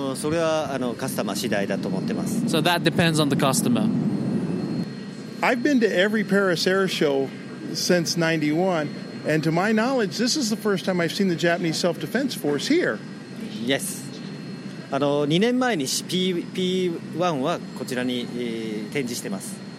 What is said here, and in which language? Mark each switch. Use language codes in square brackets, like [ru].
[ja] それはカスタマー次第だと思ってます。 [en] So that depends on the customer. I've been to every Paris Air Show since 91. And to my knowledge, this is the first time I've seen the Japanese Self-Defense Force here. Yes. [ja] 2年前に P-1 はこちらに展示してます。